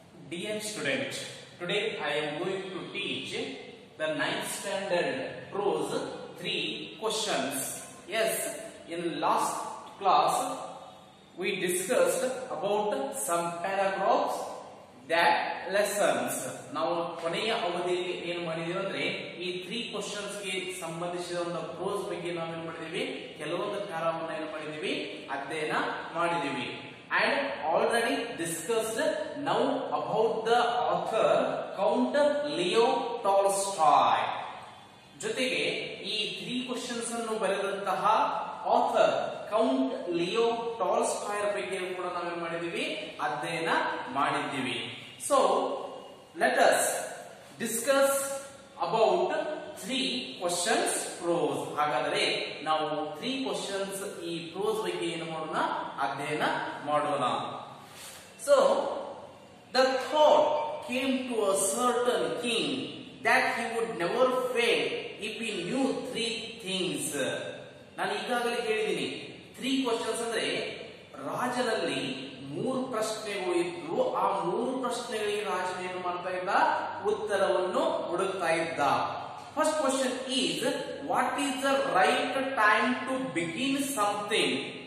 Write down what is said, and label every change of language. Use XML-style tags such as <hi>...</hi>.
<en>Dear student, today I am going to teach the 9th standard prose 3 questions. Yes, in last class we discussed about some paragraphs that lessons.</en> <kn>Now, ಕೊನೆಯ ಅವಧಿಯಲ್ಲಿ ಏನು ಮಾಡಿದೀವಿ ಅಂದ್ರೆ ಈ 3 questions ಗೆ ಸಂಬಂಧಿಸಿದ ಒಂದು ಪ್ರೋಸ್ ಬಗ್ಗೆ ನಾವು ಏನ್ ಮಾಡಿದೀವಿ ಕೆಲವೊಂದು ಕಾರವನ್ನ ಏನ್ ಮಾಡಿದೀವಿ ಅಧ್ಯಯನ ಮಾಡಿದೀವಿ.</kn> <en>And already discussed now about the author Count Leo Tolstoy.</en> <kn>ಜೊತೆಗೆ ಈ 3 questions ಅನ್ನು ಬರೆದಂತಹ author Count Leo Tolstoy ಬಗ್ಗೆ ಕೂಡ ನಾವೇನ್ ಮಾಡಿದೀವಿ ಅಧ್ಯಯನ ಮಾಡಿದ್ದೀವಿ.</kn> <en>So let us discuss about 3 questions prose.</en> <kn>ಹಾಗಾದರೆ ನಾವು 3 questions ಈ prose ಬಗ್ಗೆ ಏನು ಮಾಡೋಣ ಅಧ್ಯಯನ ಮಾಡೋಣ.</kn> <en>So the thought came to a certain king that he would never fail if he knew 3 things.</en> <kn>ನಾನು ಈಗಾಗಲೇ ಹೇಳಿದ್ದೀನಿ 3 questions ಅಂದ್ರೆ ರಾಜನಲ್ಲಿ 3 ಪ್ರಶ್ನೆಗಳು ಇದ್ರು, ಆ 3 ಪ್ರಶ್ನೆಗಳಿಗೆ ರಾಜನೇನು ಮಾಡ್ತಾ ಇದ್ದ ಉತ್ತರವನ್ನು ಹುಡುಕ್ತಾ ಇದ್ದ.</kn> <en>First question is what is the right time to begin something.</en>